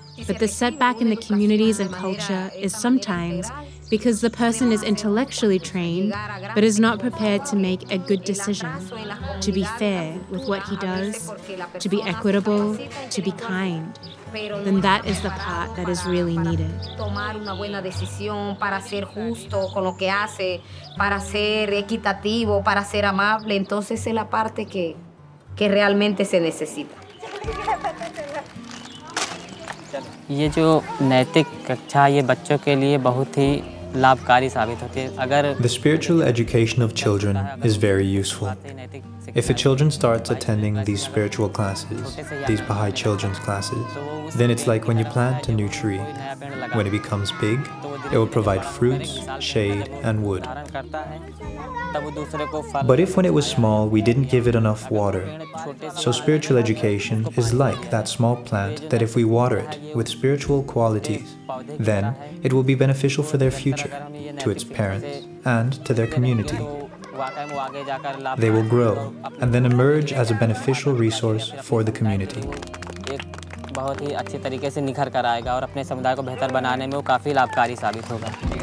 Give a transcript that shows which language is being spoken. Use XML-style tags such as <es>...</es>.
<en>But the setback in the communities and culture is sometimes because the person is intellectually trained, but is not prepared to make a good decision, to be fair with what he does, to be equitable, to be kind. Then that is the part that is really needed.</en> <es>Tomar una buena decisión para ser justo con lo que hace, para ser equitativo, para ser amable. Entonces es la parte que realmente se necesita.</es> <hi>ये जो नैतिक कक्षा ये बच्चों के लिए बहुत ही लाभकारी साबित होती है. अगर</hi> <en>the spiritual education of children is very useful. If a children starts attending these spiritual classes, these Baha'i children's classes, then it's like when you plant a new tree. When it becomes big, it will provide fruits, shade, and wood. But if when it was small, we didn't give it enough water. So spiritual education is like that small plant that if we water it with spiritual qualities, then it will be beneficial for their future, to its parents, and to their community. They will grow and then emerge as a beneficial resource for the community.</en> <hi>बहुत ही अच्छे तरीके से निखर कर आएगा और अपने समुदाय को बेहतर बनाने में वो काफ़ी लाभकारी साबित होगा।</hi>